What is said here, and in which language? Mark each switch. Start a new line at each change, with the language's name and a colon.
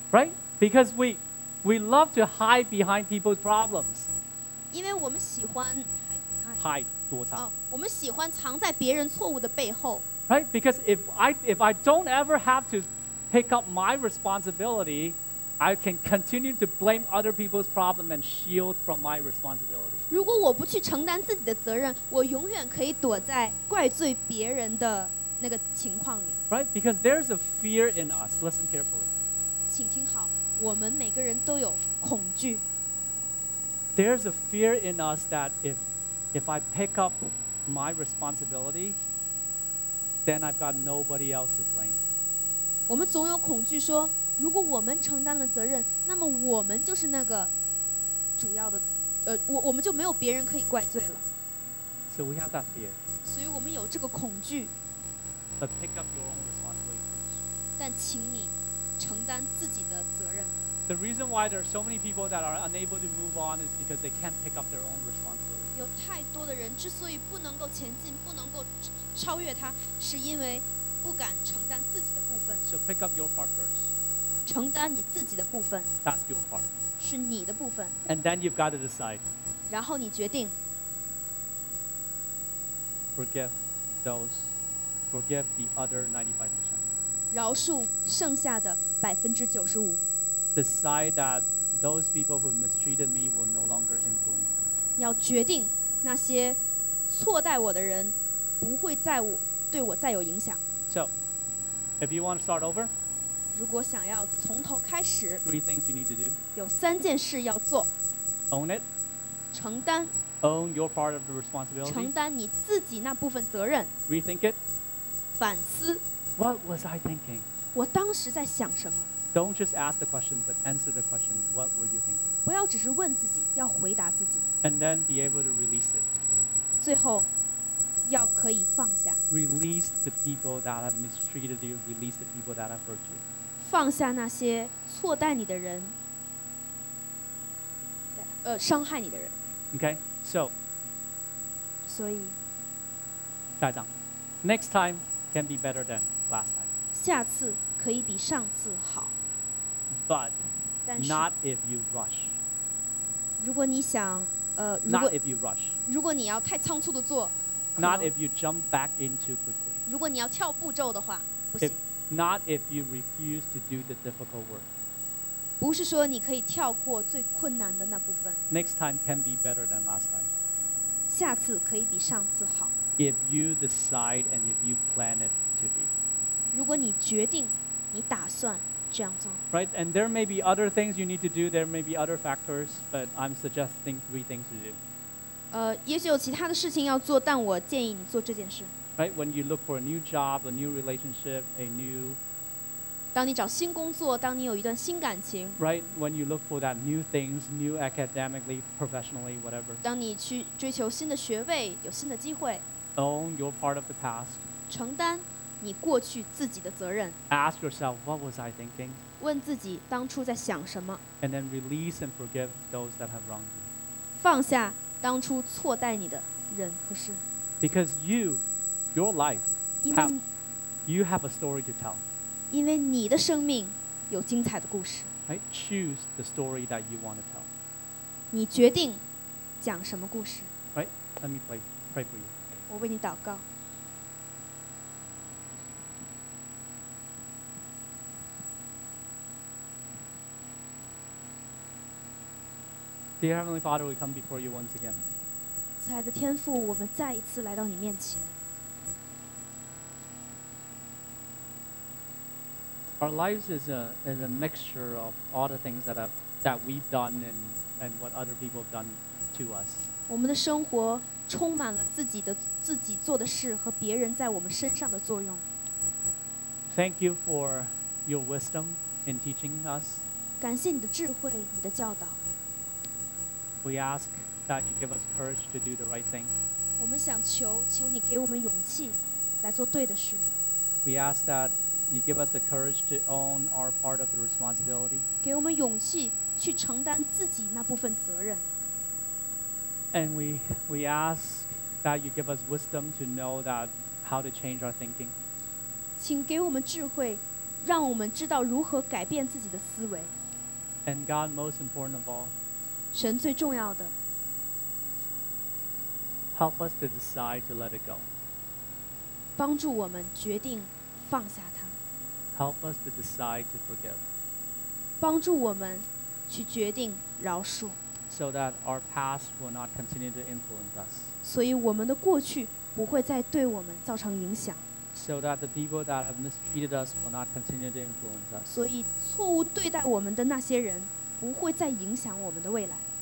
English: Right? Because we love to hide behind people's problems.
Chinese: 因为我们喜欢 hide 躲藏。我们喜欢藏在别人错误的背后。
English: Right? Because if I don't ever have to pick up my responsibility, I can continue to blame other people's problem and shield from my responsibility.
Chinese: 如果我不去承担自己的责任，我永远可以躲在怪罪别人的那个情况里。
English: Right? Because there's a fear in us. Listen carefully.
Chinese: 请听好，我们每个人都有恐惧。
English: There's a fear in us that if I pick up my responsibility, then I've got nobody else to blame.
Chinese: 我们总有恐惧说，如果我们承担了责任，那么我们就是那个主要的，我们就没有别人可以怪罪了。
English: So we have that fear.
Chinese: 所以我们有这个恐惧。
English: But pick up your own responsibility.
Chinese: 但请你承担自己的责任。
English: The reason why there are so many people that are unable to move on is because they can't pick up their own responsibility.
Chinese: 有太多的人之所以不能够前进，不能够超越它，是因为不敢承担自己的部分。
English: So pick up your part first.
Chinese: 承担你自己的部分。
English: That's your part.
Chinese: 是你的部分。
English: And then you've got to decide.
Chinese: 然后你决定。
English: Forgive the other 95%.
Chinese: 饶恕剩下的95%.
English: Decide that those people who mistreated me will no longer influence me.
Chinese: 你要决定那些错待我的人不会再对我再有影响。
English: So, if you want to start over,
Chinese: 如果想要从头开始，
English: three things you need to do.
Chinese: 有三件事要做。
English: Own it.
Chinese: 承担。
English: Own your part of the responsibility.
Chinese: 承担你自己那部分责任。
English: Rethink it.
Chinese: 反思。
English: What was I thinking?
Chinese: 我当时在想什么？
English: Don't just ask the question, but answer the question. What were you thinking?
Chinese: 不要只是问自己，要回答自己。
English: And then be able to release it.
Chinese: 最后，要可以放下。
English: Release the people that have mistreated you. Release the people that have hurt you.
Chinese: 放下那些错待你的人，伤害你的人。
English: Okay, so.
Chinese: 所以。下一章。
English: Next time can be better than last time.
Chinese: 下次可以比上次好。
English: But not if you rush.
Chinese: 如果你想，
English: Not if you rush.
Chinese: 如果你要太仓促地做。
English: Not if you jump back in too quickly.
Chinese: 如果你要跳步骤的话，不行。
English: Not if you refuse to do the difficult work.
Chinese: 不是说你可以跳过最困难的那部分。
English: Next time can be better than last time.
Chinese: 下次可以比上次好。
English: If you decide and if you plan it to be.
Chinese: 如果你决定你打算这样做。
English: Right, and there may be other things you need to do, there may be other factors, but I'm suggesting three things to do.
Chinese: 也许有其他的事情要做，但我建议你做这件事。
English: Right, when you look for a new job, a new relationship, a new...
Chinese: 当你找新工作，当你有一段新感情。
English: Right, when you look for that new things, new academically, professionally, whatever.
Chinese: 当你去追求新的学位，有新的机会。
English: Own your part of the past.
Chinese: 承担你过去自己的责任。
English: Ask yourself, what was I thinking?
Chinese: 问自己当初在想什么。
English: And then release and forgive those that have wronged you.
Chinese: 放下当初错待你的人和事。
English: Because you, your life, you have a story to tell.
Chinese: 因为你的生命有精彩的故事。
English: Right? Choose the story that you want to tell.
Chinese: 你决定讲什么故事。
English: Right? Let me pray for you.
Chinese: 我为你祷告。
English: Dear Heavenly Father, we come before you once again.
Chinese: 慈爱的天父，我们再一次来到你面前。
English: Our lives is a mixture of all the things that we've done and what other people have done to us.
Chinese: 我们的生活充满了自己做的事和别人在我们身上的作用。
English: Thank you for your wisdom in teaching us.
Chinese: 感谢你的智慧，你的教导。
English: We ask that you give us courage to do the right thing.
Chinese: 我们想求你给我们勇气来做对的事。
English: We ask that you give us the courage to own our part of the responsibility.
Chinese: 给我们勇气去承担自己那部分责任。
English: And we ask that you give us wisdom to know that how to change our thinking.
Chinese: 请给我们智慧，让我们知道如何改变自己的思维。
English: And God, most important of all.
Chinese: 神最重要的
English: Help us to decide to let it go.
Chinese: 帮助我们决定放下它
English: Help us to decide to forgive.
Chinese: 帮助我们去决定饶恕
English: So that our past will not continue to influence us.
Chinese: 所以我们的过去不会再对我们造成影响
English: So that the people that have mistreated us will not continue to influence us.
Chinese: 所以错误对待我们的那些人不会再影响我们的未来。